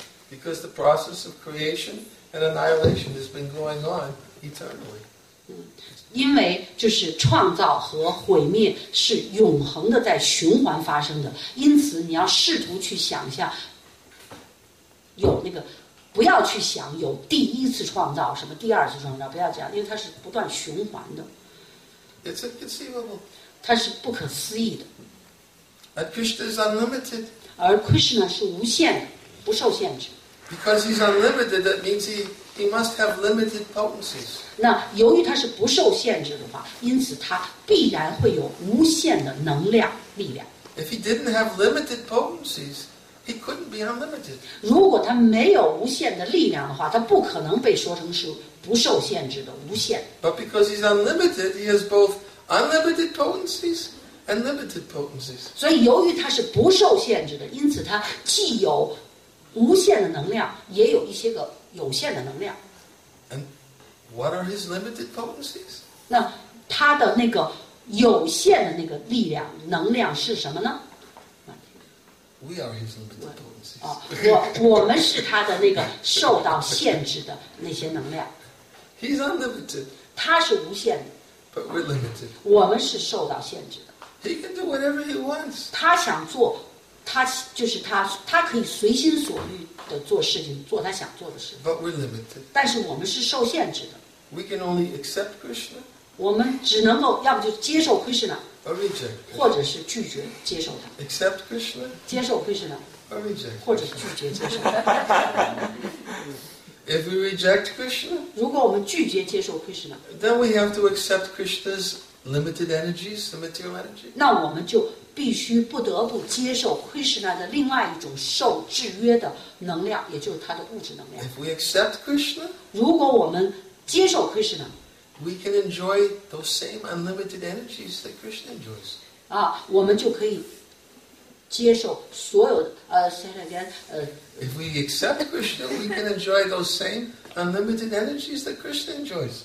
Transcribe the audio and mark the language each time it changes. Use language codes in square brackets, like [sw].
[en] Because the process of creation and annihilation has been going on eternally. [zh] 因为就是创造和毁灭是永恒的在循环发生的，因此你要试图去想象有那个。不要去想有第一次创造什么第二次创造，不要这样，因为它是不断循环的。 [en] It's inconceivable. [zh] 它是不可思议的。 [en] And Krishna is unlimited. [zh] 而 Krishna 是无限的，不受限制。 [en] Because he's unlimited, that means he must have limited potencies. [zh] 那由于它是不受限制的话，因此它必然会有无限的能量力量。 [en] If he didn't have limited potencies. He couldn't be unlimited. [zh] 如果他没有无限的力量的话，他不可能被说成是不受限制的无限。 [en] But because he's unlimited, he has both unlimited potencies and limited potencies. [zh] 所以由于他是不受限制的，因此他既有无限的能量，也有一些个有限的能量。 [en] And what are his limited potencies? [zh] 那他的那个有限的那个力量能量是什么呢？ [en] We are his limited potencies. [zh] 我们是他的那个受到限制的那些能量。 [en] He's unlimited. [zh] 他是无限的。 [en] But we're limited. [zh] 我们是受到限制的。 [en] He can do whatever he wants. [zh] 他想做，他就是他，他可以随心所欲的做事情，做他想做的事。 [en] But we're limited. [zh] 但是我们是受限制的。 [en] We can only accept Krishna. [zh] 我们只能够，要不就接受 Krishna。 [en] Or reject, [zh] 或者是拒绝接受他。 [en] Accept Krishna, [zh] 接受 Krishna, [en] or reject, [zh] 或者是拒绝接受。 [en] If we reject Krishna, [zh] 如果我们拒绝接受 Krishna, [en] then we have to accept Krishna's limited energies, the material energy. [zh] 那我们就必须不得不接受 Krishna 的另外一种受制约的能量，也就是他的物质能量。 [en] If we accept Krishna, [zh] 如果我们接受 Krishna. [en] We can enjoy those same unlimited energies that Krishna enjoys. [zh] 啊，我们就可以接受所有的 [en] say it again. If we accept Krishna, we can enjoy those same unlimited energies that Krishna enjoys.